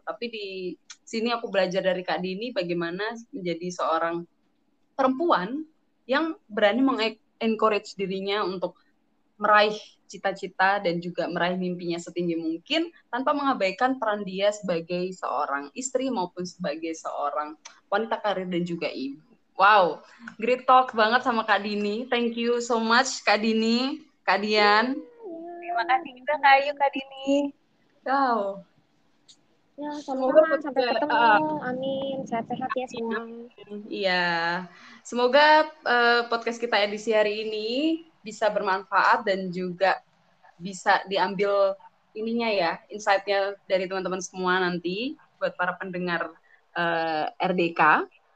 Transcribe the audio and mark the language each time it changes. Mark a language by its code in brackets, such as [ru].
[id] Tapi di sini aku belajar dari Kak Dini bagaimana menjadi seorang perempuan yang berani meng-encourage dirinya untuk meraih cita-cita dan juga meraih mimpinya setinggi mungkin tanpa mengabaikan peran dia sebagai seorang istri maupun sebagai seorang wanita karir dan juga ibu. Wow, [en] great talk [id] banget sama Kak Dini. [en] Thank you so much Kak Dini, Kak Dian. [id] Terima kasih juga Kak Ayu, Kak Dini. Wow. Ya, semoga sampai ketemu. Amin. Sehat-sehat ya semua. Iya. Semoga podcast kita edisi hari ini bisa bermanfaat dan juga bisa diambil ininya ya, insight-nya dari teman-teman semua nanti buat para pendengar RDK.